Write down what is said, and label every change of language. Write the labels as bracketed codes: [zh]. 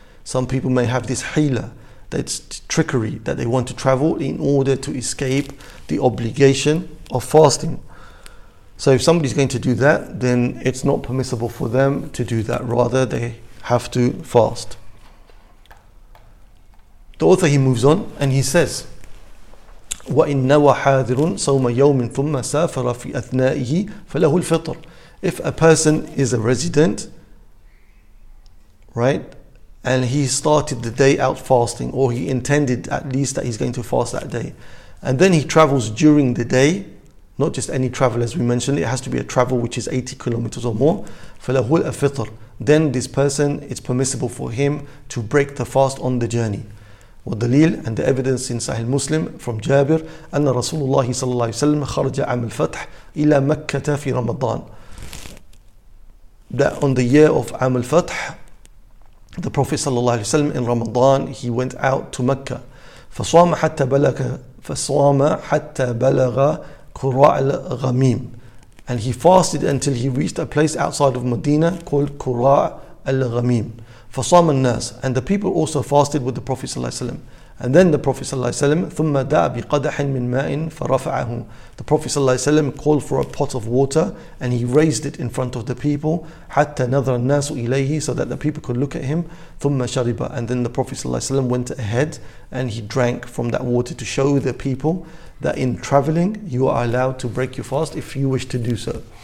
[en] Some people may have this hila, that's trickery, that they want to travel in order to escape the obligation of fasting. So if somebody's going to do that, then it's not permissible for them to do that. Rather, they have to fast. The author, he moves on and he says, [ar] وَإِنْ نَوَى حَاذِرٌ صَوْمَ يَوْمٍ ثُمَّ سَافَرَ فِي أَثْنَائِهِ فَلَهُ الْفِطْرِ. [en] If a person is a resident, right, and he started the day out fasting, or he intended at least that he's going to fast that day, and then he travels during the day, not just any travel as we mentioned, it has to be a travel which is 80 kilometers or more, [ar] فَلَهُ الْفِطْرِ. [en] Then this person, it's permissible for him to break the fast on the journey. [ar] والدليل [en] and the evidence in Sahih Muslim from Jabir [ar] أن رسول الله صلى الله عليه وسلم خرج عام الفتح إلى مكة في رمضان. [en] That on the year of عام الفتح, the Prophet صلى الله عليه وسلم in Ramadan, he went out to Mecca. [ar] فصام حتى بلغ كراع الغميم. [en] And he fasted until he reached a place outside of Medina called كراع الغميم. [ar] فصام الناس. [en] And the people also fasted with the Prophet صلى الله عليه وسلم. And then the Prophet [ar] صلى الله عليه وسلم ثم دعا بقدح من ماء فرفعه. [en] The Prophet صلى الله عليه وسلم called for a pot of water and he raised it in front of the people [ar] حتى نظر الناس إليه, [en] so that the people could look at him. [ar] ثم شرب. [en] And then the Prophet صلى الله عليه وسلم went ahead and he drank from that water to show the people that in traveling you are allowed to break your fast if you wish to do so.